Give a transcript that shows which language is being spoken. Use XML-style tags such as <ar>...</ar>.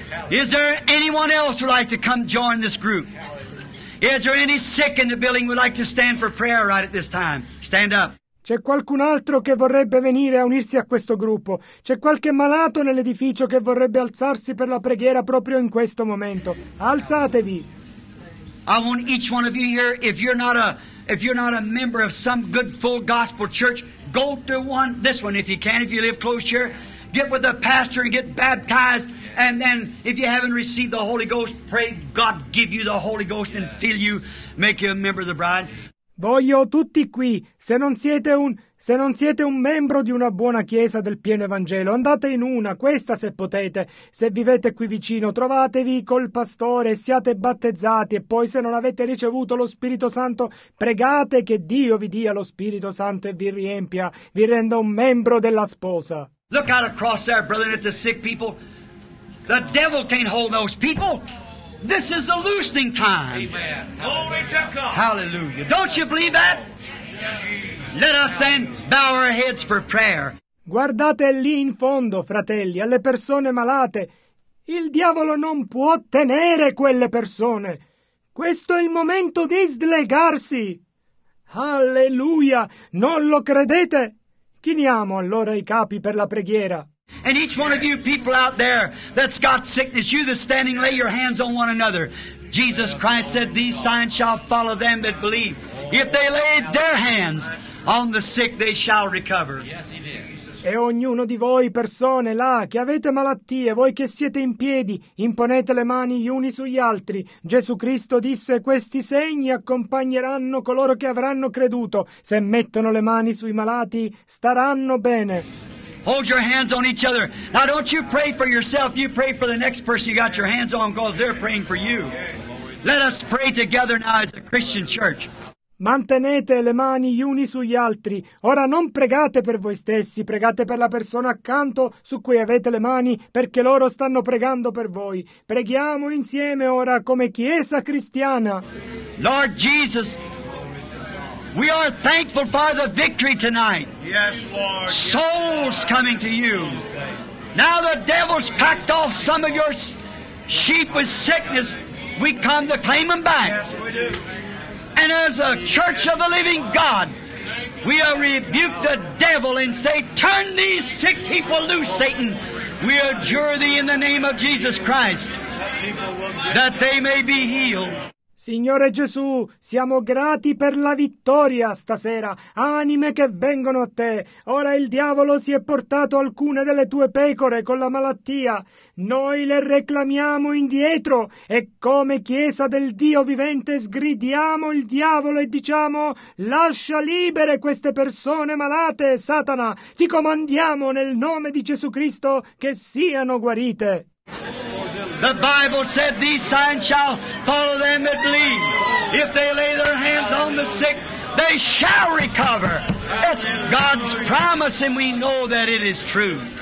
<en>Is there anyone else who would like to come join this group? Is there any sick in the building who would like to stand for prayer right at this time? Stand up.</en> <it>C'è qualcun altro che vorrebbe venire a unirsi a questo gruppo? C'è qualche malato nell'edificio che vorrebbe alzarsi per la preghiera proprio in questo momento? Alzatevi!</it> <en>I want each one of you here, if you're not a member of some good full gospel church, go to one, this one if you can, if you live close here, get with the pastor and get baptized, and then if you haven't received the Holy Ghost, pray God give you the Holy Ghost and fill you, make you a member of the bride.</en> <it>Voglio tutti qui. Se non siete un membro di una buona chiesa del pieno Evangelo, andate in una, questa se potete. Se vivete qui vicino, trovatevi col pastore, siate battezzati e poi se non avete ricevuto lo Spirito Santo, pregate che Dio vi dia lo Spirito Santo e vi riempia, vi renda un membro della sposa.</it> <en>Look out across there, brethren, at the sick people. The devil can't hold those people. This is a loosening time. Amen. Hallelujah. Don't you believe that? Let us then bow our heads for prayer.</en> <it>Guardate lì in fondo, fratelli, alle persone malate. Il diavolo non può tenere quelle persone. Questo è il momento di slegarsi. Alleluia! Non lo credete? Chiniamo allora i capi per la preghiera.</it> <en>And each one of you people out there that's got sickness, you that's standing, lay your hands on one another. Jesus Christ said, these signs shall follow them that believe. If they lay their hands on the sick, they shall recover.</en> <it>E ognuno di voi, persone là, che avete malattie, voi che siete in piedi, imponete le mani gli uni sugli altri. Gesù Cristo disse, questi segni accompagneranno coloro che avranno creduto. Se mettono le mani sui malati, staranno bene.</it> <en>Hold your hands on each other. Now don't you pray for yourself, you pray for the next person you got your hands on, because they're praying for you. Let us pray together now as a Christian church.</en> <it>Mantenete le mani gli uni sugli altri. Ora non pregate per voi stessi, pregate per la persona accanto su cui avete le mani, perché loro stanno pregando per voi. Preghiamo insieme ora come Chiesa cristiana.</it> <en>Lord Jesus, we are thankful for the victory tonight. Yes, Lord. Souls coming to you. Now the devil's packed off some of your sheep with sickness. We come to claim them back. Yes, we do. And as a church of the living God, we are rebuke the devil and say, turn these sick people loose, Satan. We adjure thee in the name of Jesus Christ that they may be healed.</en> <it>Signore Gesù, siamo grati per la vittoria stasera. Anime che vengono a te. Ora il diavolo si è portato alcune delle tue pecore con la malattia. Noi le reclamiamo indietro e come chiesa del Dio vivente sgridiamo il diavolo e diciamo «Lascia libere queste persone malate, Satana! Ti comandiamo nel nome di Gesù Cristo che siano guarite!»</it> <en>The Bible said these signs shall follow them that believe. If they lay their hands on the sick, they shall recover. It's God's promise and we know that it is true.</en>